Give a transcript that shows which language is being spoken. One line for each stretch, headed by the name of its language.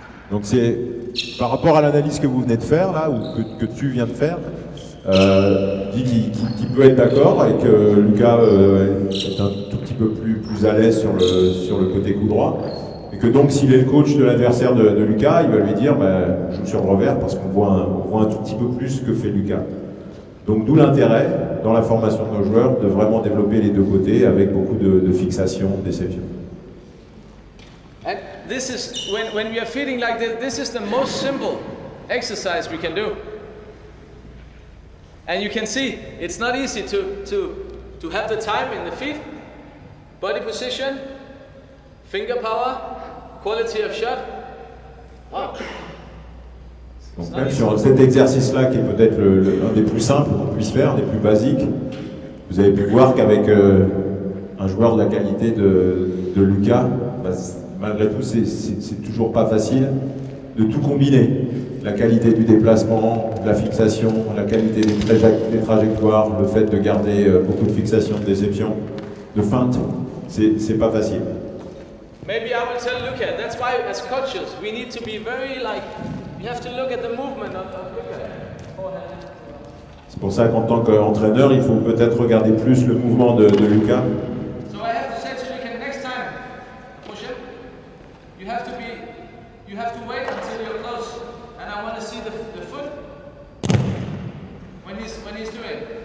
French: Donc c'est par rapport à l'analyse que vous venez de faire là ou que tu viens de faire, qui peut être d'accord et que Lucas est un tout petit peu plus à l'aise sur le côté coup droit. Et que donc, s'il est le coach de l'adversaire de Lucas, il va lui dire bah, « joue sur le revers » parce qu'on voit un tout petit peu plus ce que fait Lucas. Donc d'où l'intérêt, dans la formation de nos joueurs, de vraiment développer les deux côtés avec beaucoup de fixation, de déception.
English: And this is, when we are feeling like this, this is the most simple exercise we can do. And you can see, it's not easy to have the time in the feet, body position, finger power, quality of shot.
French: Donc même sur cet exercice-là, qui est peut-être l'un des plus simples qu'on puisse faire, des plus basiques, vous avez pu voir qu'avec un joueur de la qualité de Lucas, malgré tout, c'est toujours pas facile de tout combiner. La qualité du déplacement, la fixation, la qualité des trajectoires, le fait de garder beaucoup de fixation, de déception, de feinte, c'est pas facile.
English: Maybe I will tell Luca, that's why as coaches we need to be very like, we have to look at the movement of Luca.
French: C'est pour ça qu'en tant qu'entraîneur, il faut peut-être regarder plus le mouvement de Luca.
English: So I have to say to Luca, next time, Roger, you have to wait until you're close and I want to see the foot when he's doing.